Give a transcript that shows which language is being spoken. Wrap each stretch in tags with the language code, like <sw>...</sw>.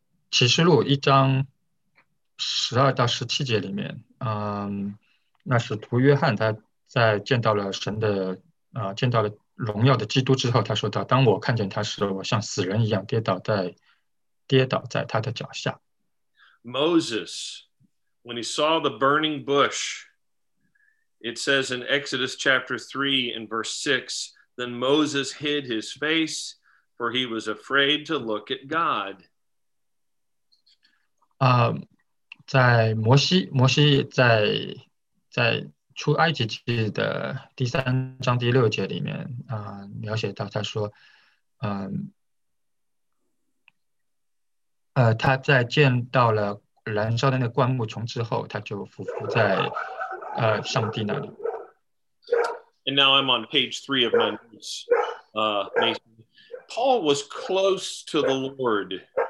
<zh>启示录一章十二到十七节里面，那是徒约翰他在见到了神的见到了荣耀的基督之后，他说到：“当我看见他时，我像死人一样跌倒在他的脚下。”</zh> <en>Moses, when he saw the burning bush, it says in Exodus chapter 3 and verse 6, then Moses hid his face, for he was afraid to look at God.</en> <zh>在摩西在出埃及记的第三章第六节里面描写到，他说他在见到了燃烧的那个灌木丛之后，他就匍匐在上帝那里。</zh> <en>And now I'm on page 3 of my notes. Paul was close to the Lord.</en>